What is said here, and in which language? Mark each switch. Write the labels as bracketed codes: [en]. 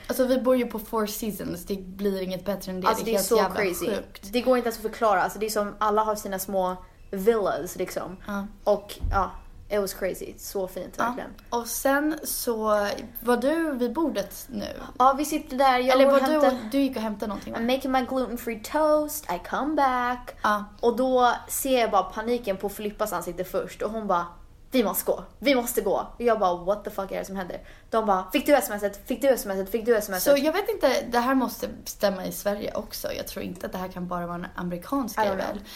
[sv] Alltså vi bor ju på Four Seasons, det blir inget bättre än det. Alltså det är så jävla crazy. Sjukt. Det går inte att förklara, alltså det är som alla har sina små villas liksom. Och ja, [en] it was crazy, [sv] så fint verkligen. Och sen så, var du vid bordet nu? Ja, vi sitter där, jag eller var och hämta... du gick och hämtade någonting va? [en] I'm making my gluten-free toast, I come back. [sv] Och då ser jag bara paniken på Filippas ansikte först och hon bara... Vi måste gå. Vi måste gå. Jag bara, [en] what the fuck [sv] är det som händer? De bara, fick du smset? Så jag vet inte, det här måste stämma i Sverige också. Jag tror inte att det här kan bara vara en amerikansk grej väl.